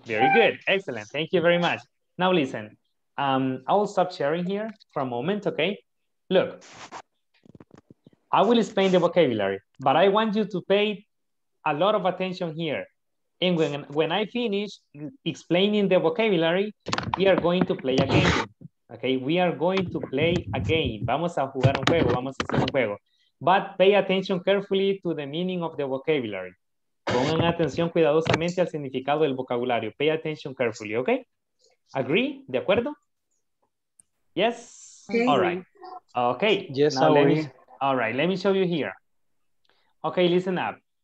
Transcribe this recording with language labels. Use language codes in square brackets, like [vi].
[en] Very good. Excellent. Thank you very much. Now listen. I will stop sharing here for a moment, okay? Look. I will explain the vocabulary, but I want you to pay a lot of attention here. And when I finish explaining the vocabulary, we are going to play a game. Okay, we are going to play a game. [es] Vamos a jugar un juego, vamos a hacer un juego. [en] But pay attention carefully to the meaning of the vocabulary. [es] Pongan atención cuidadosamente al significado del vocabulario. [en] Pay attention carefully, okay? Agree? [es] De acuerdo? [en] Yes? Okay. All right. Okay. Yes, now let me. All right, let me show you here. Okay, listen up.